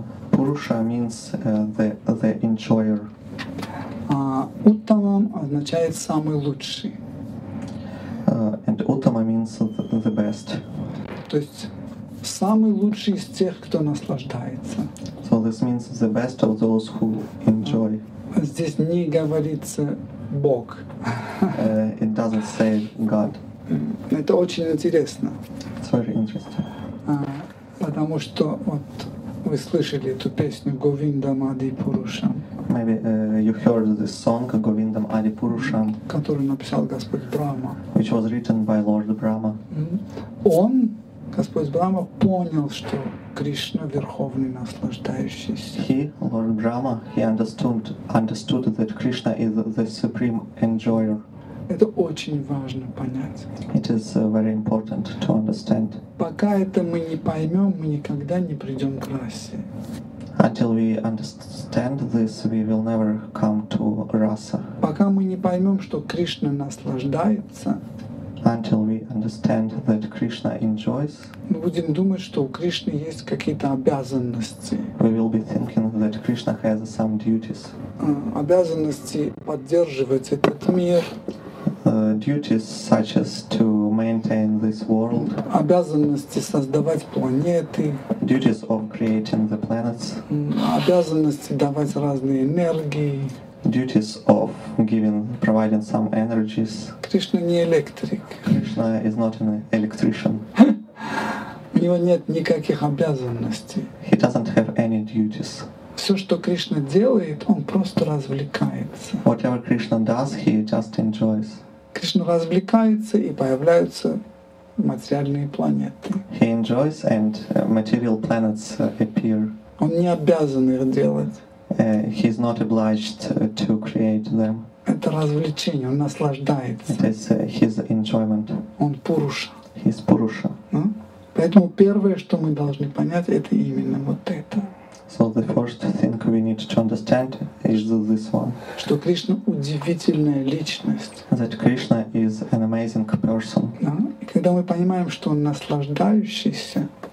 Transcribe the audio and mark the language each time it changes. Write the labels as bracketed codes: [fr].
[en] Пуруша means the enjoyer. [ru] Уттамам означает самый лучший. [en] And Uttama means the best. [ru] То есть самый лучший из тех, кто наслаждается. [en] So this means the best of those who enjoy. [ru] Здесь не говорится Бог. [en] It doesn't say God. [ru] Это очень интересно. [en] It's very interesting. [ru] Потому что вот вы слышали эту песню Говиндам Ади Пурушам. [en] Maybe you heard this song Govindam Adi Purusham, [ru] который написал Господь Брахма, [en] which was written by Lord Brahma. [ru] Он, Господь Брахма, понял, что Кришна верховный наслаждающийся. [en] He, Lord Brahma, he understood that Krishna is the supreme enjoyer. [ru] Это очень важно понять. [en] It is very important to understand. [ru] Пока это мы не поймем, мы никогда не придем к расе. [en] Until we understand this, we will never come to rasa. [ru] Пока мы не поймем, что Кришна наслаждается. [en] Until we understand that Krishna enjoys. [ru] Мы будем думать, что у Кришны есть какие-то обязанности. [en] We will be thinking that Krishna has some duties. [ru] Обязанности поддерживать этот мир. [en] Duties such as to maintain this world. [ru] Обязанности создавать планеты. [en] Duties of creating the planets. [ru] Обязанности давать разные энергии. [en] Duties of providing some energies. [ru] Кришна не электрик. [en] Krishna is not an electrician. [ru] У него нет никаких обязанностей. [en] He doesn't have any duties. [ru] Все, что Кришна делает, он просто развлекается. [en] Whatever Krishna does, he just enjoys. [ru] Кришна развлекается и появляются материальные планеты. [en] He enjoys and material planets appear. [ru] Он не обязан их делать. [en] He is not obliged to create them. [ru] Это развлечение, он наслаждается. [en] It is his enjoyment. [ru] Он Пуруша. [en] He is Пуруша. [ru] Поэтому первое, что мы должны понять, это именно вот это. [en] So the first thing we need to understand is this one. [ru] Что Кришна удивительная личность. [en] That Krishna is an amazing person. [ru] И когда мы понимаем, что он наслаждающийся.